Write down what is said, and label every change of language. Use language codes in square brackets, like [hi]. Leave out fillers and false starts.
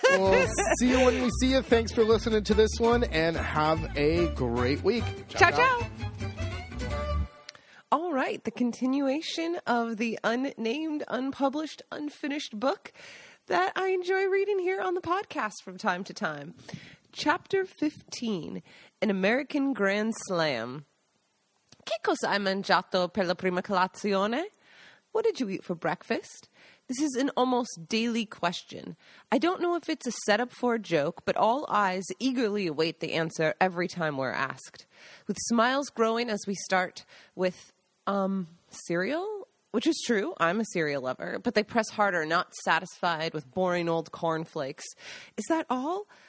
[en] We'll see you when we see you. Thanks for listening to this one, and have a great week. [it] Ciao, ciao. [en] All right, the continuation of the unnamed, unpublished, unfinished book that I enjoy reading here on the podcast from time to time. Chapter 15, An American Grand Slam. [it] Che cosa hai mangiato per la prima colazione? [en] What did you eat for breakfast? This is an almost daily question. I don't know if it's a setup for a joke, but all eyes eagerly await the answer every time we're asked. With smiles growing as we start with... cereal? Which is true, I'm a cereal lover, but they press harder, not satisfied with boring old cornflakes. Is that all?